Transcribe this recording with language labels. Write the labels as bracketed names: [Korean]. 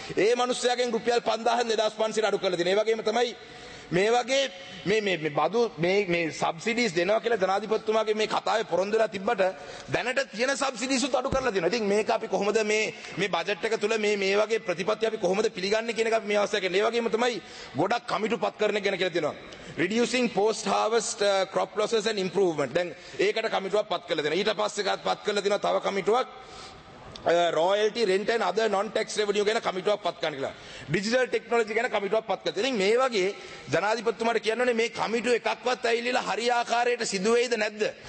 [Sinhala] ඒ මිනිස්සුයන්ගෙන් රුපියල් 5000ක් 2500ක් අඩු කරලා තියෙනවා. ඒ වගේම තමයි මේ වගේ මේ බදු මේ සබ්සිඩීස් දෙනවා කියලා ජනාධිපතිතුමාගේ මේ කතාවේ පොරොන්දු වෙලා තිබ්බට දැනට තියෙන සබ්සිඩීස් උත් අඩු කරලා තියෙනවා. ඉතින් මේක අපි කොහොමද මේ බජට් එක තුල මේ වගේ ප්‍රතිපත්ති අපි කොහොමද පිළිගන්නේ කියන එක අපි මේ අවස්ථාවේ කියන්නේ. ඒ වගේම තමයි ගොඩක් කමිටුපත් කරන එක ගැන කියලා තියෙනවා. [English] Reducing post harvest crop losses and improvement. [Sinhala] දැන් ඒකට කමිටුවක් පත් කරලා තියෙනවා. ඊට පස්සේ පත් කරලා තියෙනවා තව කමිටුවක් [English] royalty rent and other non tax revenue [Sinhala] ගැන කමිටුවක් පත් කරන්න කියලා. Digital technology ගැන කමිටුවක් පත් කරලා තියෙනවා. මේ වගේ ජනාධිපතිතුමාට කියන්නේ මේ කමිටු එකක්වත් ඇවිල්ලා හරියාකාරයට සිදුවේද නැද්ද?